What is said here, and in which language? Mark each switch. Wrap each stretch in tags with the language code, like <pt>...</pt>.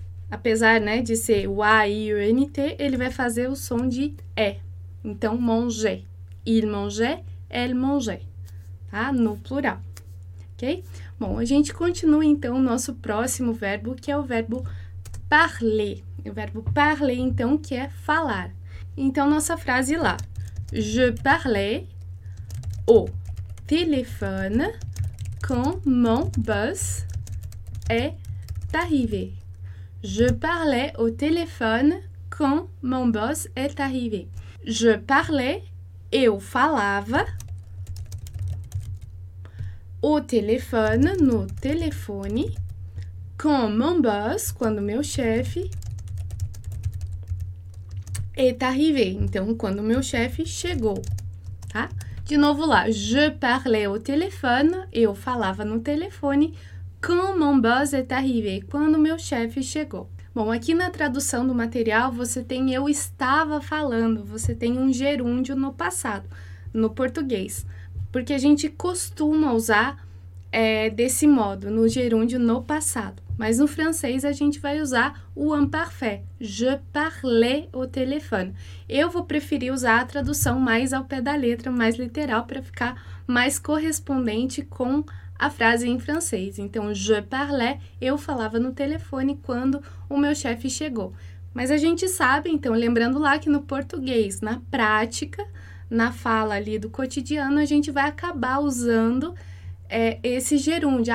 <pt>Apesar, né, de ser o A, I, U, N, T, ele vai fazer o som de E. Então, manger.</pt> <fr>Il manger, elle manger.</fr> <pt>Tá? No plural. Ok? Bom, a gente continua então o nosso próximo verbo, que é o verbo parler. O verbo parler, então, que é falar. Então, nossa frase lá.</pt> <fr>Je parlais au téléphone quand mon boss est arrivé. Je parlais au téléphone quand mon boss est arrivé. Je parlais,</fr> <pt>eu falava,</pt> <fr>au téléphone,</fr> <pt>no telefone,</pt> <fr>quand mon boss,</fr> <pt>quando meu chefe,</pt> <fr>est arrivé.</fr> <pt>Então, quando meu chefe chegou, tá? De novo lá.</pt> <fr>Je parlais au téléphone,</fr> <pt>eu falava no telephone,</pt> <fr>quand mon boss est arrivé,</fr> <pt>quando meu chefe chegou. Bom, aqui na tradução do material você tem eu estava falando, você tem um gerúndio no passado, no português. Porque a gente costuma usar desse modo, no gerúndio no passado. Mas no francês a gente vai usar o imparfait.</pt> <fr>Je parlais au téléphone.</fr> <pt>Eu vou preferir usar a tradução mais ao pé da letra, mais literal, para ficar mais correspondente com a frase em francês. Então,</pt> <fr>je parlais,</fr> <pt>eu falava no telefone quando o meu chefe chegou. Mas a gente sabe, então, lembrando lá que no português, na prática, na fala ali do cotidiano, a gente vai acabar usando esse gerúndio.</pt>